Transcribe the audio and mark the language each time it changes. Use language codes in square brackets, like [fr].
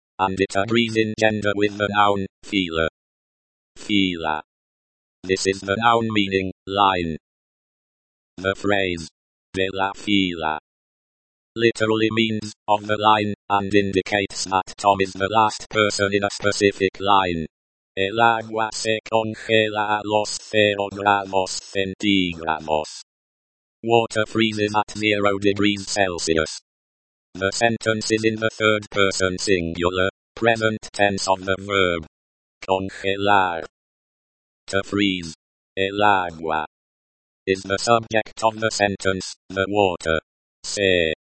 [en] And it agrees in gender with the noun, fila. Fila. This is the noun meaning, line. The phrase, [es] de la fila, [en] literally means, of the line, and indicates that Tom is the last person in a specific line. [es] El agua se congela a los 0 grados centígrados. [en] Water freezes at 0 degrees Celsius. The sentence is in the third person singular, present tense of the verb. Congelar. To freeze. [es] El agua. [en] Is the subject of the sentence, the water. Se.